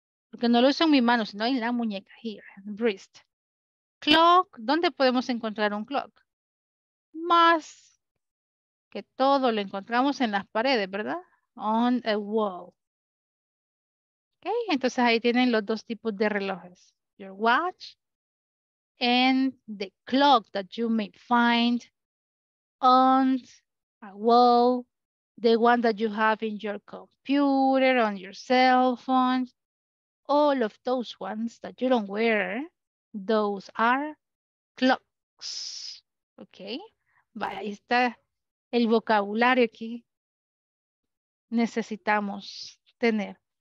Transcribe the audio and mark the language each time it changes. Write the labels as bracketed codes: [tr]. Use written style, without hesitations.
[es] Porque no lo uso en mi mano, sino en la muñeca. [en] Here, wrist. Clock. [es] ¿Dónde podemos encontrar un clock? Más que todo lo encontramos en las paredes, ¿verdad? [en] On a wall. [es] Ok, entonces ahí tienen los dos tipos de relojes. [en] Your watch and the clock that you may find on a wall. The one that you have in your computer, on your cell phone. All of those ones that you don't wear, those are clocks. [es] Ok, vaya, ahí está el vocabulario que necesitamos tener.